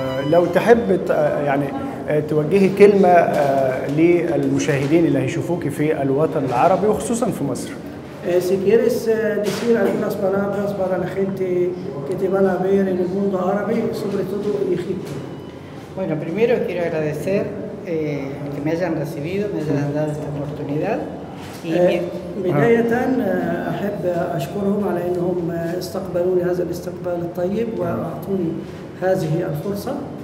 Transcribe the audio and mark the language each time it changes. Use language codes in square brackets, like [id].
[ar] لو تحب يعني توجهي كلمة للمشاهدين اللي هيشوفوك في الوطن العربي وخصوصا في مصر. [es] Si quieres decir algunas palabras para la gente que te van a ver en el mundo árabe, sobre todo en Egipto. Bueno, primero quiero agradecer que me hayan recibido, me hayan dado esta oportunidad. [ar] بداية أحب أشكرهم على أنهم استقبلوني هذا الاستقبال الطيب وأعطوني هذه الفرصة.